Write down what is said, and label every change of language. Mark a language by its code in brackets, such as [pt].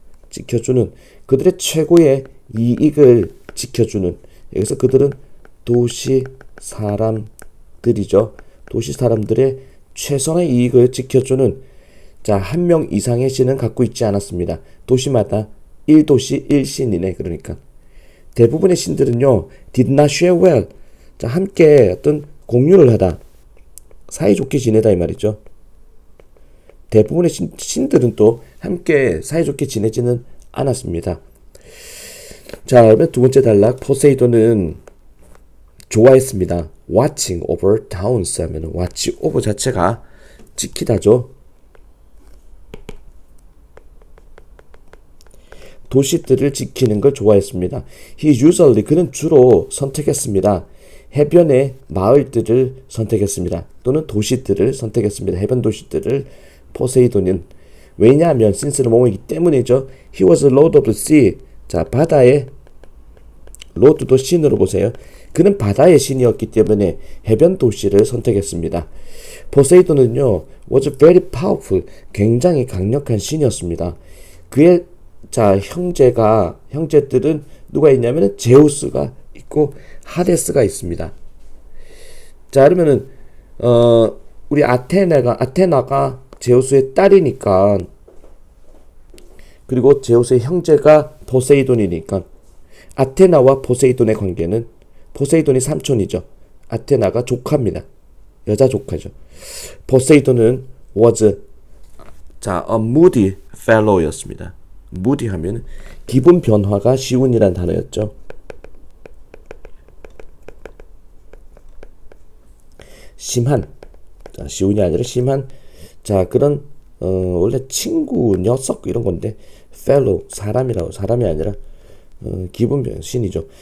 [ko] 지켜주는 그들의 최고의 이익을 지켜주는 여기서 그들은 도시 사람들이죠. 도시 사람들의 최선의 이익을 지켜주는 자, 한명 이상의 신은 갖고 있지 않았습니다. 도시마다 1도시 1신이네. 그러니까 대부분의 신들은요, [en] did not share well. [ko] 자, 함께 어떤 공유를 하다, 사이좋게 지내다 이 말이죠. 대부분의 신들은 또 함께 사이좋게 지내지는 않았습니다. 자, 그러면 두 번째 단락, 포세이돈은 좋아했습니다. [en] watching over towns [ko] 하면 watch over 자체가 지키다죠. 도시들을 지키는 걸 좋아했습니다. [en] He usually, [ko] 그는 주로 선택했습니다. 해변의 마을들을 선택했습니다. 또는 도시들을 선택했습니다. 해변 도시들을 포세이돈은. 왜냐하면, [en] since the moment [ko] 이기 때문이죠. [en] He was a lord of the sea. [ko] 자, 바다의 lord도 신으로 보세요. 그는 바다의 신이었기 때문에 해변 도시를 선택했습니다. 포세이돈은요, [en] was very powerful. [ko] 굉장히 강력한 신이었습니다. 그의 자, 형제들은 누가 있냐면은 제우스가 있고 하데스가 있습니다. 자, 그러면은 우리 아테나가 제우스의 딸이니까, 그리고 제우스의 형제가 포세이돈이니까 아테나와 포세이돈의 관계는, 포세이돈이 삼촌이죠. 아테나가 조카입니다. 여자 조카죠. 포세이돈은 [en] a moody fellow [ko] 였습니다. 무디 하면 기분 변화가 쉬운이란 단어였죠. 심한, 자, 쉬운이 아니라 심한, 자, 그런 원래 친구 녀석 이런 건데, fellow 사람이라고, 사람이 아니라 기분 변 신이죠.